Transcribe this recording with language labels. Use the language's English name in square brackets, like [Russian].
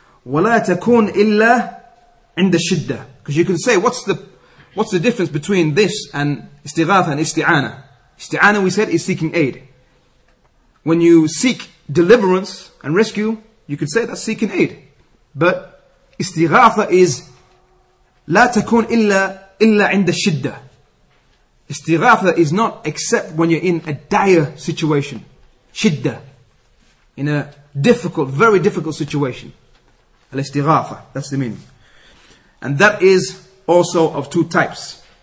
[Arabic] وَلَا تَكُونْ إِلَّا عِنْدَ الشِّدَّةِ. [English] Because you can say, what's the difference between this and istighatha and isti'ana? Isti'ana, we said, is seeking aid. When you seek deliverance and rescue, you could say that's seeking aid. But istighatha is [Arabic] لا تكون إلا عند الشدة. [English] Istighatha is not except when you're in a dire situation. شدة. In a difficult, very difficult situation. Al-istighatha, that's the meaning. And that is also of two types.